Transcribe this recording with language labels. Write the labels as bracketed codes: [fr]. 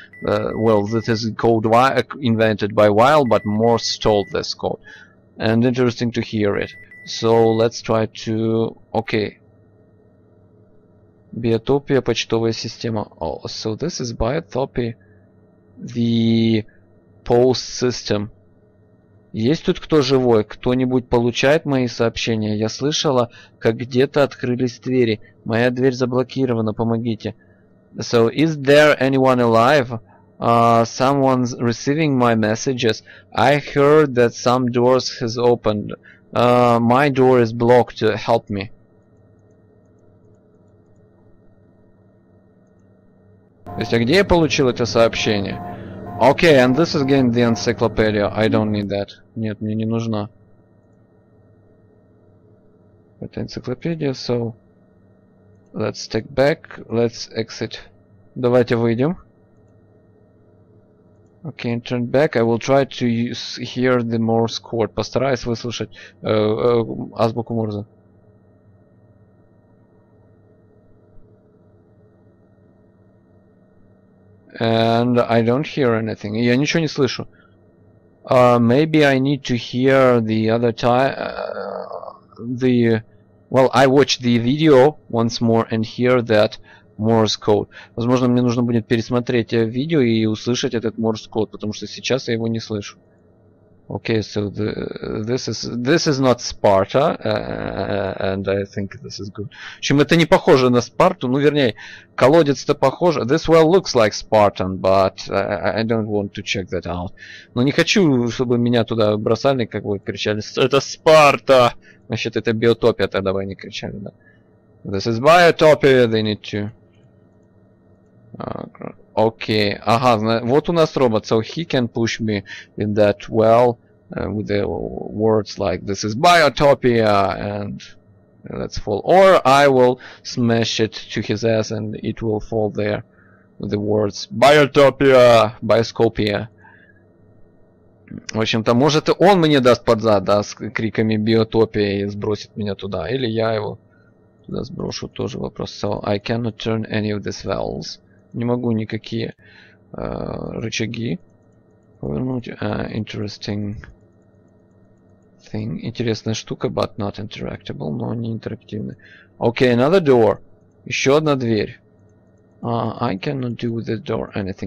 [en] Well, this is code invented by Weil, but Morse stole this code. And interesting to hear it. So let's try to. Okay. [ru] Biotopia почтовая система. [en] Oh, so this is Biotopia, the post system. [ru] Есть тут кто живой? Кто-нибудь получает мои сообщения? Я слышала, как где-то открылись двери. Моя дверь заблокирована, помогите. [en] So, is there anyone alive? Someone's receiving my messages. I heard that some doors has opened. My door is blocked, help me. [ru] То есть, а где я получил это сообщение? [en] Okay, and this is again the encyclopedia. I don't need that. [ru] Нет, мне не нужна. [en] Это encyclopedia, so... Let's take back, let's exit. [ru] Давайте выйдем. [en] Okay, and turn back. I will try to use, hear the Morse code. [ru] Постараюсь выслушать азбуку Морзе. [en] And I don't hear anything. [ru] Я ничего не слышу. [en] Maybe I need to hear the other time. I watch the video once more and hear that Morse code. [ru] Возможно, мне нужно будет пересмотреть видео и услышать этот Morse code, потому что сейчас я его не слышу. [en] Okay, so this is not Sparta, and I think this is good. [ru] В общем, это не похоже на Спарту, ну, вернее, колодец-то похож. [en] This well looks like Spartan, but I don't want to check that out. [ru] Но не хочу, чтобы меня туда бросали, как бы кричали, это Спарта! Значит, это биотопия, тогда бы они кричали, да. [en] This is biotopia, they need to... Okay, [ru] ага, вот у нас робот, [en] so he can push me in that well with the words like this is biotopia and let's fall, or I will smash it to his ass and it will fall there with the words biotopia, bioscopia. [ru] В общем-то, может и он мне даст под зад, да, с криками биотопия и сбросит меня туда, или я его туда сброшу, тоже вопрос. [en] So I cannot turn any of these valves. [ru] Не могу никакие рычаги повернуть. [en] Interesting thing. [ru] Интересная штука, [en] but not interactable, [ru] но не интерактивная. [en] Okay, another door. [ru] Еще одна дверь. [en] I cannot do with this door anything.